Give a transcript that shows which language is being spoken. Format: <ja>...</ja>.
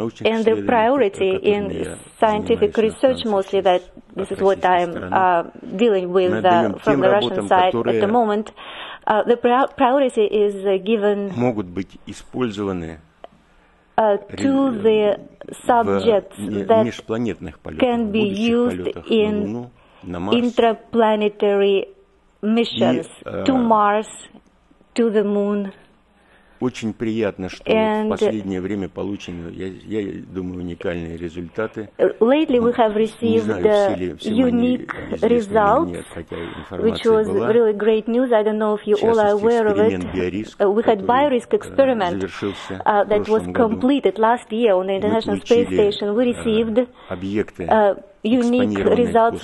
<en>And the priority in scientific research, mostly, that this is what I am dealing with from the Russian side at the moment, the priority is given to the subjects that can be used in intraplanetary missions to Mars, to the Moon.</en> <ru>Очень приятно, что</ru> <en>and</en> <ru>в последнее время получены, я думаю, уникальные результаты.</ru> <en>Lately we have received unique results, which was really great news. I don't know if you all are aware of it. We had BioRisk experiment that was completed last year on the International Space Station. We received unique results.</en>